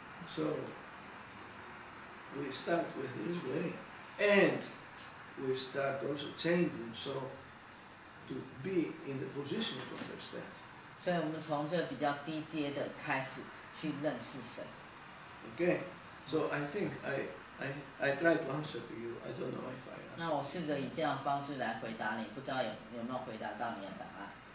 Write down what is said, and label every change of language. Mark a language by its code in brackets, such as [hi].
[en] So we start with His way, and we start also changing so to be in the position to understand. [zh] 所以我们从这比较低阶的开始。去认识神。 [en] Okay, so I think I try to answer to you. I don't know if I answer. [zh] 那我试着以这样的方式来回答你，不知道有没有回答到你的答案。